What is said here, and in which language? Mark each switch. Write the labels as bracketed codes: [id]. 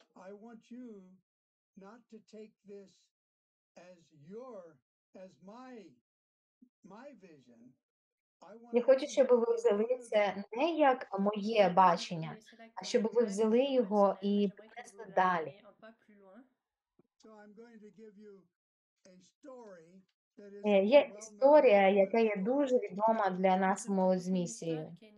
[en] I want you not to take this as your, as my vision. [uk] Я хочу, щоб ви взяли це не як моє бачення, а щоб ви взяли його і принесли далі. [en] So I'm going to give you a story that is... [uk] Є історія, яка є дуже відома для нас з місією.